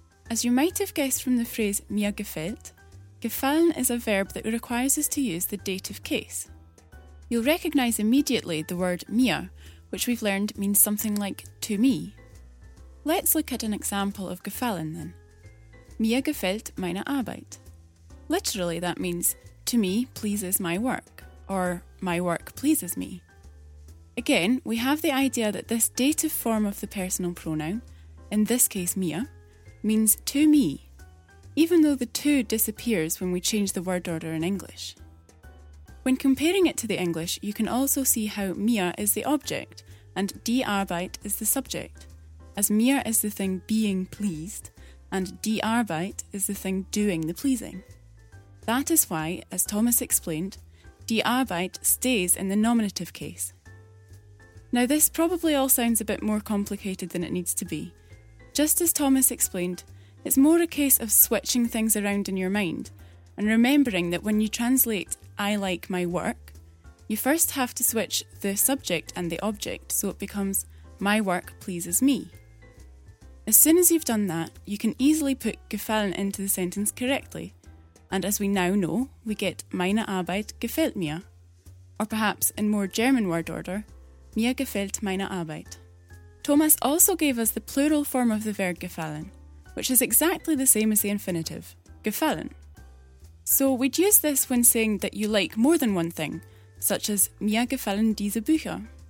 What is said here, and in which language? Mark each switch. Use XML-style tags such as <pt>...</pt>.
<en>As you might have guessed from the phrase mir gefällt, gefallen is a verb that requires us to use the dative case. You'll recognise immediately the word mir, which we've learned means something like to me. Let's look at an example of gefallen then.</en> <de>Mir gefällt meine Arbeit.</de> <en>Literally that means to me pleases my work, or my work pleases me. Again, we have the idea that this dative form of the personal pronoun, in this case mir, means to me, even though the to disappears when we change the word order in English. When comparing it to the English, you can also see how mir is the object and die Arbeit is the subject, as mir is the thing being pleased and die Arbeit is the thing doing the pleasing. That is why, as Thomas explained, die Arbeit stays in the nominative case. Now, this probably all sounds a bit more complicated than it needs to be. Just as Thomas explained, it's more a case of switching things around in your mind and remembering that when you translate I like my work, you first have to switch the subject and the object so it becomes my work pleases me. As soon as you've done that, you can easily put gefallen into the sentence correctly. And as we now know, we get</en> <de>meine Arbeit gefällt mir.</de> <en>Or perhaps in more German word order,</en> <de>mir gefällt meine Arbeit.</de> <en>Thomas also gave us the plural form of the verb gefallen, which is exactly the same as the infinitive, gefallen. So we'd use this when saying that you like more than one thing, such as</en> <de>mir gefallen diese Bücher.</de>